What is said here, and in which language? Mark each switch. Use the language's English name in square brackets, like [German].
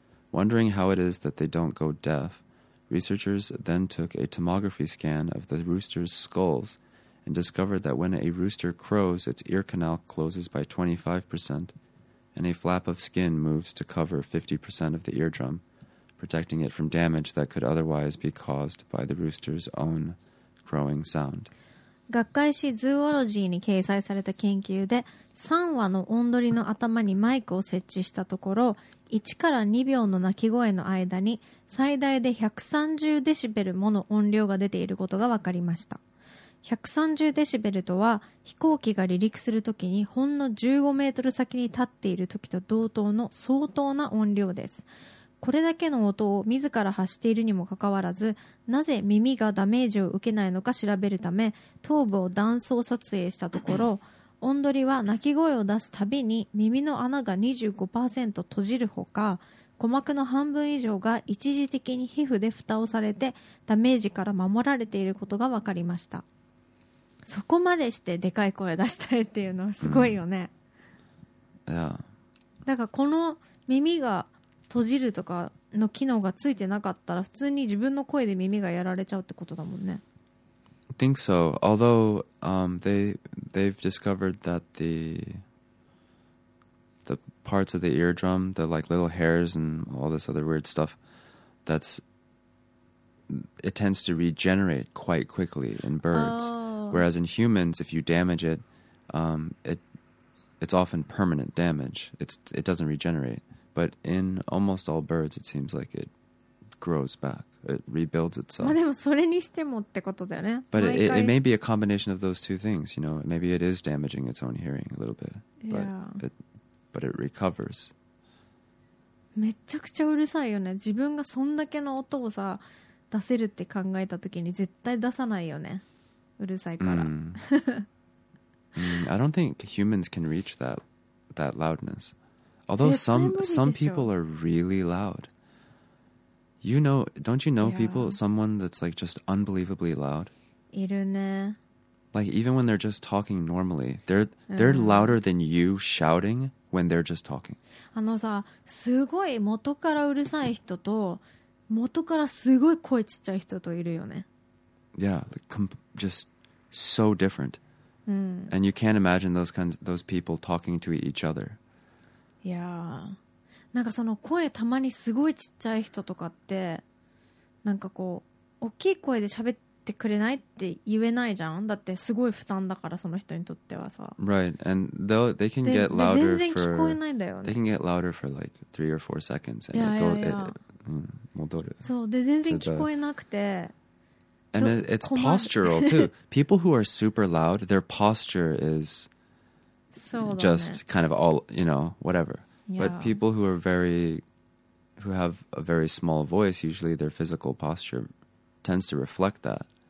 [English] Wondering how it is that they don't go deaf, researchers then took a tomography scan of the roosters' skulls. And discovered that when a rooster crows, its ear canal closes by 25%, and a flap of skin moves to cover 50% of the eardrum, protecting it from damage that could otherwise be caused by the rooster's own crowing sound. [Japanese] 学会誌 Zoology に掲載された研究で、3羽のオンドリの頭にマイクを設置したところ、1から2秒の鳴き声の間に最大で130デシベルもの音量が出ていることが分かりました。 130デシベルとは飛行機が離陸するときにほんの15メートル先に立っているときと同等の相当な音量です。これだけの音を自ら発しているにもかかわらず、なぜ耳がダメージを受けないのか調べるため頭部を断層撮影したところ、オンドリは鳴き声を出すたびに耳の穴が 25% 閉じるほか、鼓膜の半分以上が一時的に皮膚で蓋をされてダメージから守られていることが分かりました。そこまでしてでかい声出したいっていうのはすごいよね。 [English] Yeah. [Japanese] だからこの耳が閉じるとかの機能がついてなかったら、普通に自分の声で耳がやられちゃうってことだもんね。 [English] I think so. Although they've discovered that the parts of the eardrum, the like little hairs and all this other weird stuff, that's it tends to regenerate quite quickly in birds. Whereas in humans, if you damage it, it's often permanent damage. It doesn't regenerate. But in almost all birds, it seems like it grows back. It rebuilds itself. [Japanese] まあでもそれにしてもってことだよね。 [English] But it may be a combination of those two things. You know, maybe it is damaging its own hearing a little bit. But yeah. But it recovers. [Japanese] めちゃくちゃうるさいよね。自分がそんだけの音をさ出せるって考えた時に絶対出さないよね。うるさいから。 [English] I don't think humans can reach that loudness. Although some people are really loud. You know, don't you know people, someone that's like just unbelievably loud? [Japanese] いるね。 [English] Like even when they're just talking normally, they're louder than you shouting when they're just talking. [Japanese] あのさ、すごい元からうるさい人と元からすごい声ちっちゃい人といるよね。 [English] Yeah, just so different. [Japanese] うん。 [English] And you can't imagine those kinds, those people talking to each other. Yeah. [Japanese] なんかその声たまにすごいちっちゃい人とかってなんかこう大きい声で喋ってくれないって言えないじゃん。だってすごい負担だからその人にとってはさ。 [English] Right, and they can get louder for. [Japanese] 全然聞こえないんだよね。 [English] They can get louder for like 3 or 4 seconds and yeah, yeah, yeah. [Japanese] It, 戻る。そうで全然聞こえなくて。 [English] And it's postural too. People who are super loud, their posture is just kind of all, you know, whatever. But people who are very, who have a very small voice, usually their physical posture tends to reflect that.